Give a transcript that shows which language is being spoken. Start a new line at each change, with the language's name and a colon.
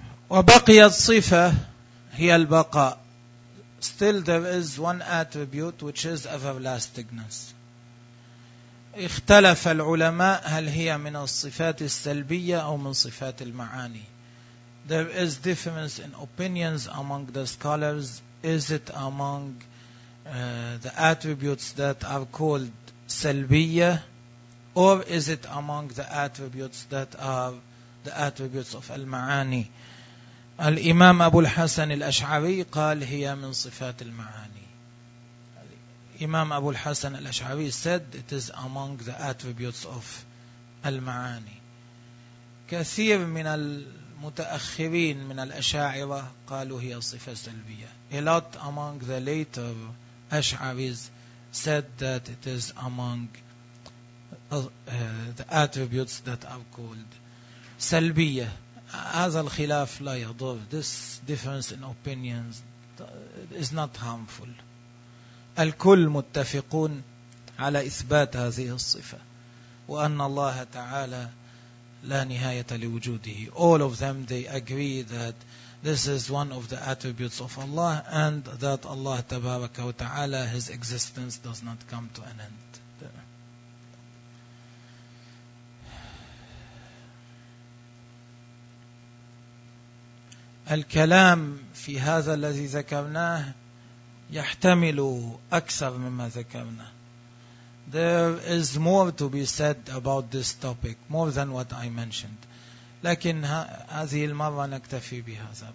Arabic: وبقيت صفة هي البقاء.
English: Still there is one attribute which is everlastingness.
Arabic: اختلف العلماء هل هي من الصفات السلبية أو من صفات المعاني.
English: There is difference in opinions among the scholars. Is it among the attributes that are called سلبية, or is it among the attributes that are the attributes of المعاني؟
Arabic: الإمام أبو الحسن الأشعري قال هي من صفات المعاني.
English: الإمام أبو الحسن الأشعري said it is among the attributes of المعاني.
Arabic: كثير من المتأخرين من الأشاعرة قالوا هي صفة سلبية.
English: A lot among the later Ash'aris said that it is among the attributes that are called سلبية.
Arabic: هذا الخلاف لا يضر.
English: This difference in opinions is not harmful.
Arabic: الكل متفقون على إثبات هذه الصفة وأن الله تعالى لا نهاية لوجوده.
English: All of them they agree that this is one of the attributes of Allah and that Allah
Arabic: تبارك وتعالى
English: his existence does not come to an end.
Arabic: الكلام في هذا الذي ذكرناه يحتمل أكثر مما ذكرنا.
English: There is more to be said about this topic, more than what I mentioned.
Arabic: لكن هذه المرة نكتفي بهذا.